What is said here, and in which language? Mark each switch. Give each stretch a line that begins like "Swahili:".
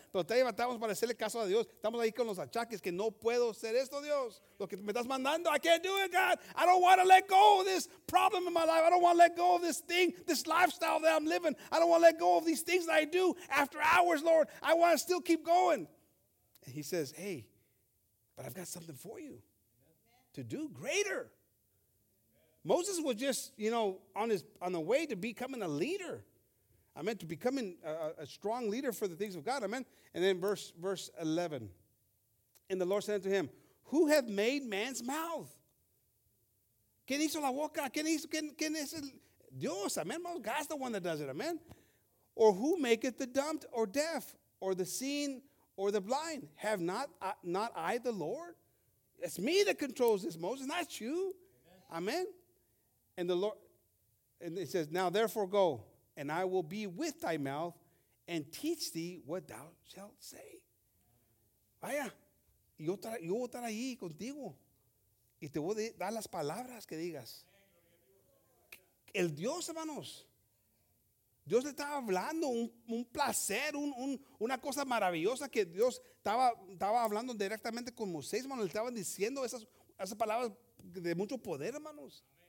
Spanish: Pero todavía batallamos para hacerle caso a Dios. Estamos ahí con los achaques que no puedo hacer esto, Dios. Lo que me estás mandando.
English: I can't do it, God. I don't want to let go of this problem in my life. I don't want to let go of this thing, this lifestyle that I'm living. I don't want to let go of these things that I do after hours, Lord. I want to still keep going. And he says, hey, but I've got something for you to do greater. Moses was just, you know, on the way to becoming a leader. I meant to becoming a strong leader for the things of God. Amen. And then verse 11. And the Lord said unto him, who hath made man's mouth?
Spanish: ¿Quién hizo la boca? ¿Quién es el Dios? Amen.
English: God's the one that does it.
Spanish: Amen.
English: Or who maketh the dumb or deaf or the seeing or the blind? Have not I the Lord? It's me that controls this, Moses, not you. Amen. Amen. And the Lord, and it says, now therefore go, and I will be with thy mouth and teach thee what thou shalt say.
Spanish: Vaya, yo voy a estar ahí contigo y te voy a dar las palabras que digas. El Dios, hermanos, Dios le estaba hablando un placer, una cosa maravillosa que Dios estaba hablando directamente con Moisés, hermano. Le estaban diciendo esas palabras de mucho poder, hermanos.